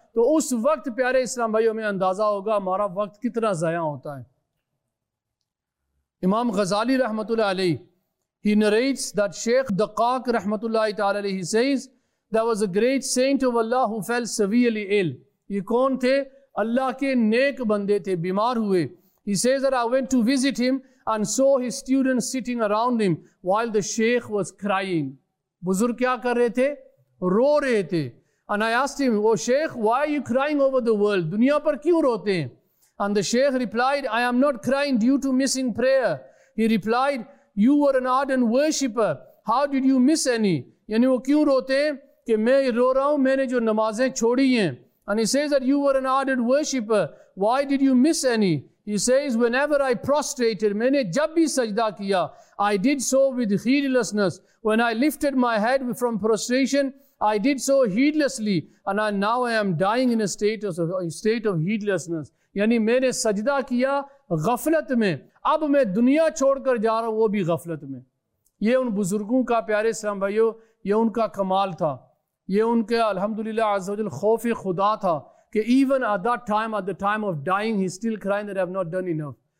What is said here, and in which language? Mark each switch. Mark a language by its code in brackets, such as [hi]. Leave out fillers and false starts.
[ur] تو اس وقت پیارے اسلام بھائیوں میں اندازہ ہوگا ہمارا وقت کتنا ضائع ہوتا ہے. [en] امام غزالی رحمۃ اللہ علیہ, he narrates that Sheikh Daqaq رحمۃ اللہ تعالی علیہ, he says there was a great saint of Allah who fell severely ill. [ur] یہ کون تھے؟ اللہ کے نیک بندے تھے, بیمار ہوئے. [en] He says that I went to visit him and saw his students sitting around him while the Sheikh was crying. [ur] بزرگ کیا کر رہے تھے؟ رو رہے تھے. [en] And I asked him, oh Sheikh, why are you crying over the world? [ur] دنیا پر کیوں روتے ہیں؟ [en] And the Sheikh replied, I am not crying due to missing prayer. He replied, you were an ardent worshipper. How did you miss any? [ur] یعنی وہ کیوں روتے ہیں؟ کہ میں رو رہا ہوں, میں نے جو نمازیں چھوڑی ہیں. [en] And he says that you were an ardent worshipper. Why did you miss any? He says, whenever I prostrated, [ur] میں نے جب بھی سجدہ کیا, [en] I did so with heedlessness. When I lifted my head from prostration, I did so heedlessly. And now I am dying in a state of heedlessness. [ur] یعنی میں نے سجدہ کیا غفلت میں, اب میں دنیا چھوڑ کر جا رہا ہوں وہ بھی غفلت میں. یہ ان بزرگوں کا پیارے اسلام بھائیو, یہ ان کا کمال تھا, یہ ان کے الحمدللہ عز و جل خوف خدا تھا کہ [en] Even at the time of dying he still crying that I have not done enough.